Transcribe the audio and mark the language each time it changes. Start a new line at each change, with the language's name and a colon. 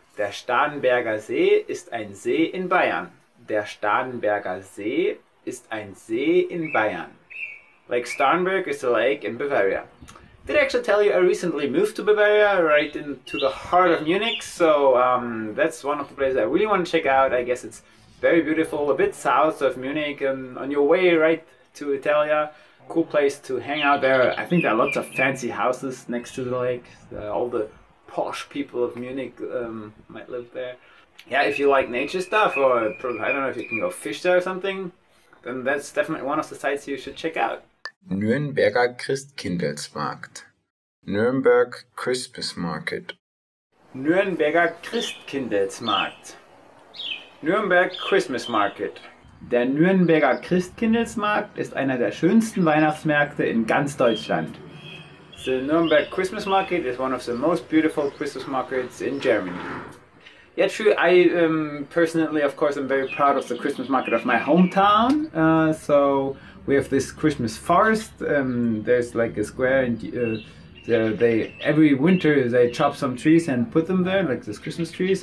German: Der Starnberger See ist ein See in Bayern. Der Starnberger See ist ein See in Bayern.
English: Lake Starnberg is a lake in Bavaria. Did I actually tell you I recently moved to Bavaria, right into the heart of Munich? So that's one of the places I really want to check out. I guess it's very beautiful, a bit south of Munich, and on your way right to Italia. Cool place to hang out there. I think there are lots of fancy houses next to the lake. All the posh people of Munich might live there. Yeah, if you like nature stuff, or probably, I don't know if you can go fish there or something, then that's definitely one of the sites you should check out. Nürnberger Christkindlesmarkt. Nürnberg Christmas Market. Nürnberger Christkindlesmarkt. Nürnberg Christmas Market.
German: Der Nürnberger Christkindlesmarkt ist einer der schönsten Weihnachtsmärkte in ganz Deutschland.
English: The Nürnberg Christmas Market is one of the most beautiful Christmas markets in Germany. Yeah, true. I personally, of course, am very proud of the Christmas market of my hometown. So we have this Christmas forest. There's like a square, and they every winter they chop some trees and put them there, like these Christmas trees.